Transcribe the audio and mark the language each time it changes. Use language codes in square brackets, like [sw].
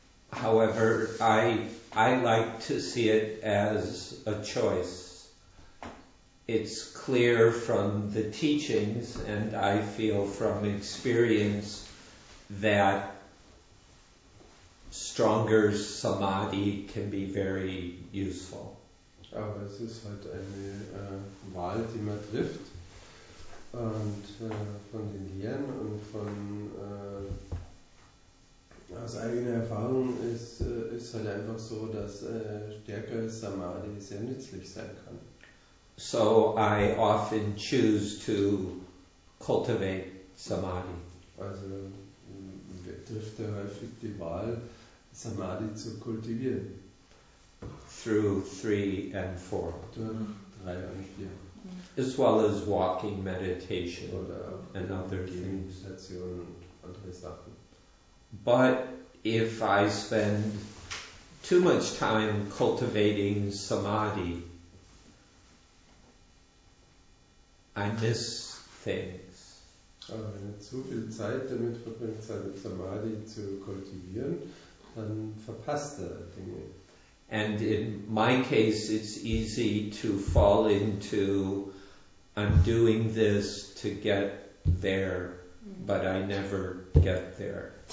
[en] However, I I like to see it as a choice. It's clear from the teachings, and I feel from experience, that stronger samadhi can be very useful. [de] Aber es ist halt eine Wahl, die man trifft. Und von den Lehren und von aus eigener Erfahrung ist halt einfach so, dass stärkeres Samadhi sehr nützlich sein kann. [en] So I often choose to cultivate Samadhi. [de] Also trifft er häufig die Wahl, Samadhi zu kultivieren. [en] Through 3 and 4. [de] Durch 3 und 4. [en] As well as walking meditation and other Meditation things. [de] Und andere Sachen. [en] But if I spend too much time cultivating samadhi, I miss things. [de] Aber wenn ich zu viel Zeit damit verbringe, seine Samadhi zu kultivieren, dann verpasst er Dinge. [en] And in my case, it's easy to fall into, I'm doing this to get there, but I never get there.